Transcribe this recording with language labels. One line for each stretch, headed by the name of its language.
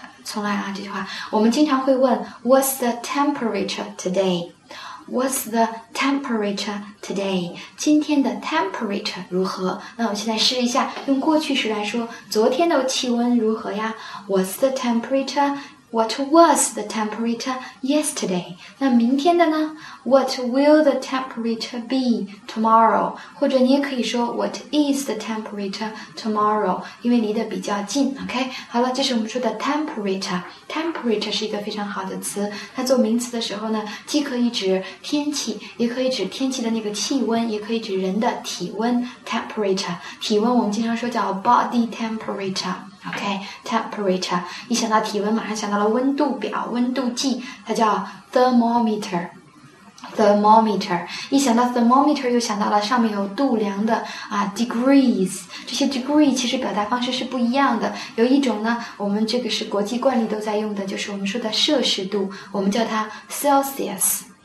Chinese: 重来啊，这句话我们经常会问
English: What's the temperature today? What's the temperature today?
Chinese: 今天的 temperature 如何？那我们现在试一下用过去时来说，昨天的气温如何呀？
English: What's the temperature? What was the temperature yesterday? 那明天的呢？ What will the temperature be tomorrow?
Chinese: 或者你也可以说
English: What is the temperature tomorrow?
Chinese: 因为离得比较近 ,OK? 好了，这是我们说的 temperature。Temperature 是一个非常好的词，它做名词的时候呢，既可以指天气，也可以指天气的那个气温，也可以指人的体温 ,temperature。体温我们经常说叫 body temperature。OK, temperature, 一想到体温马上想到了温度表温度计它叫 thermometer, thermometer, 一想到 thermometer 又想到了上面有度量的啊 degrees, 这些 degree 其实表达方式是不一样的有一种呢我们这个是国际惯例都在用的就是我们说的摄氏度我们叫它 Celsius,